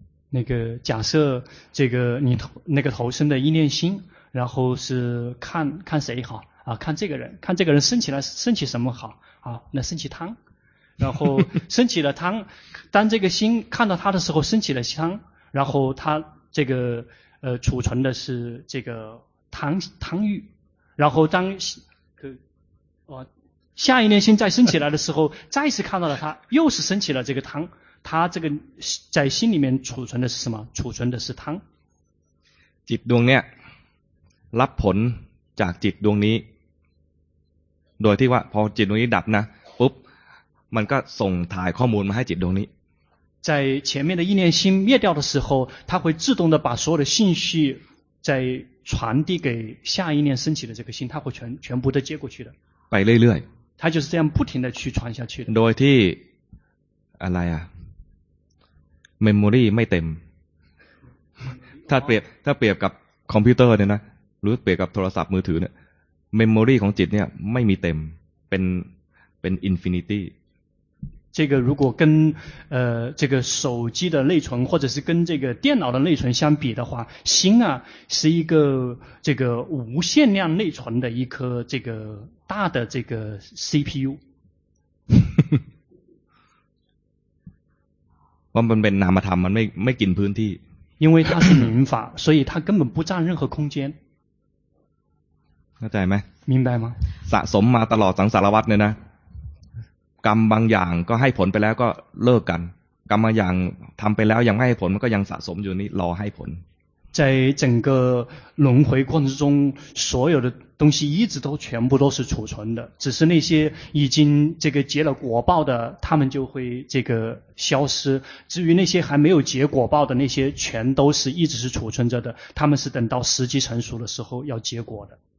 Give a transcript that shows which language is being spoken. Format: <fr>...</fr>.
<zh>那个假设这个你那个投生的一念心然后是看谁好啊看这个人升起什么好啊那升起汤然后升起了汤当这个心看到他的时候升起了汤然后他这个储存的是这个汤欲然后当下一念心再升起来的时候再次看到了他又是升起了这个汤他这个在心里面储存的是什么储存的是汤</zh> <th>จิตดวงเนี้ยรับผลจากจิตดวงนี้โดยที่ว่าพอจิตดวงนี้ดับนะปุ๊บมันก็ส่งถ่ายข้อมูลมาให้จิตดวงนี้</th> <zh>在前面的一念心灭掉的时候它会自动的把所有的信息在传递给下一念升起的这个心，它会全部的接过去的。</zh> <th>ไปเรื่อย</th> <zh>ๆ它就是这样不停的去传下去的。</zh> <th>โดยที่อะไรอ่ะ memory ไม่เต็มถ้าเปรียบกับคอมพิวเตอร์เนี่ยนะหรือเปรียบกับโทรศัพท์มือถือเนี่ย memory ของจิตเนี่ยไม่มีเต็มเป็น infinity</th> <zh>这个如果跟这个手机的内存或者是跟这个电脑的内存相比的话，心啊是一个这个无限量内存的一颗这个大的这个 CPU。</zh> <th>มันเป็นนามธรรมมันไม่กินพื้นที่</th> <zh>因为它是名法，所以它根本不占任何空间。</zh> <th>เข้าใจไหม</th> <zh>明白吗？</zh> <th>สะสมมาตลอดสังสารวัฏเนี่ยนะกรรมบางอย่างก็ให้ผลไปแล้วก็เลิกกันกรรมบางอย่างทำไปแล้วยังไม่ให้ผลมันก็ยังสะสมอยู่นี่รอให้ผล</th> <zh>在整个轮回过程中所有的东西一直都全部都是储存的只是那些已经这个结了果报的他们就会这个消失至于那些还没有结果报的那些全都是一直是储存着的他们是等到时机成熟的时候要结果的</zh>